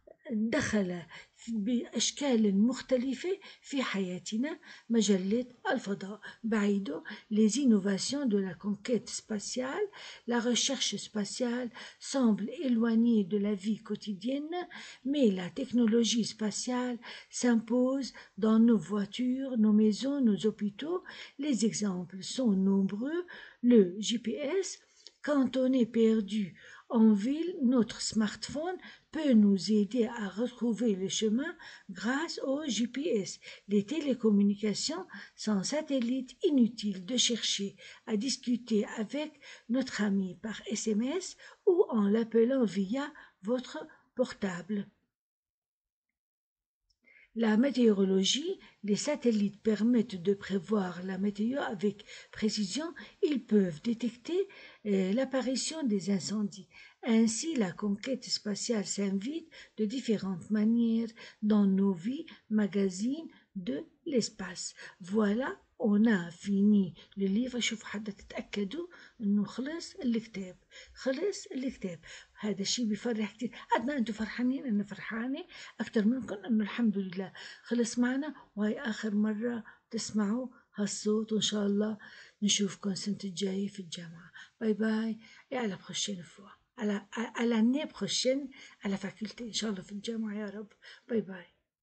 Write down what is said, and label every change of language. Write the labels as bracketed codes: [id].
[ar] دخل بأشكال مختلفة في حياتنا مجلة الفضاء بعيده [fr] les innovations de la conquête spatiale la recherche spatiale semble éloignée de la vie quotidienne mais la technologie spatiale s'impose dans nos voitures nos maisons nos hôpitaux les exemples sont nombreux le GPS quand on est perdu en ville notre smartphone peut nous aider à retrouver le chemin grâce au GPS. Les télécommunications sans satellite, inutile de chercher à discuter avec notre ami par SMS ou en l'appelant via votre portable. La météorologie, les satellites permettent de prévoir la météo avec précision. Ils peuvent détecter l'apparition des incendies. Ainsi, la conquête spatiale s'invite de différentes manières dans nos vies, magazines de l'espace. Voilà, on a fini le livre. [ar] شوف حد تتأكدوا إنه خلص الكتاب. خلص الكتاب. هذا الشيء بيفرح كتير. عدنا أنتوا فرحانين أنا فرحانة أكتر منكم إنه الحمد لله خلص معنا وهي آخر مرة تسمعوا هالصوت وإن شاء الله نشوفكم السنة الجاية في الجامعة. باي باي. يا على بخشين فوا. [fr] À l'année prochaine, à la faculté, inshallah, fin de jour, [ar] ya rab. [fr] Bye bye.